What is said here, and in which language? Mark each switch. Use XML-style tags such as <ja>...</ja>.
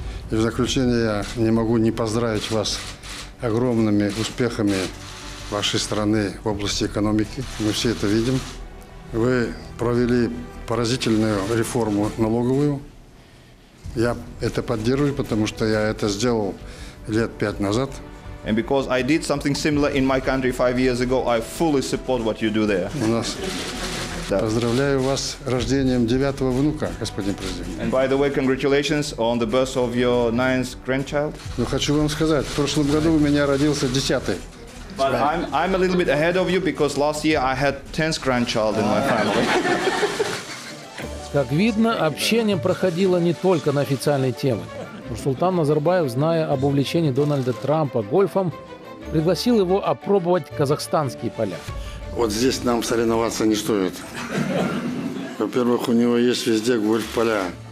<ru>И в заключение я не могу не поздравить вас огромными успехами вашей страны в области экономики. Мы все это видим. Вы провели поразительную реформу налоговую. Я это поддерживаю, потому что я это сделал 5 лет назад.</ru> <en>And because I did something similar in my country 5 years ago, I fully support what you do there.</en> <ru>Да. Поздравляю вас с рождением 9-го внука, господин президент.</ru> <en>And by the way, congratulations on the birth of your 9th grandchild.</en> <ru>Ну, хочу вам сказать, в прошлом году у меня родился 10-й.</ru> <en>But I'm a little bit ahead of you because last year I had 10th grandchild in my family.</en> <ru>Как видно, общение проходило не только на официальной теме. Нурсултан Назарбаев, зная об увлечении Дональда Трампа гольфом, пригласил его опробовать казахстанские поля. Вот здесь нам соревноваться не стоит. Во-первых, у него есть везде гольф-поля.</ru>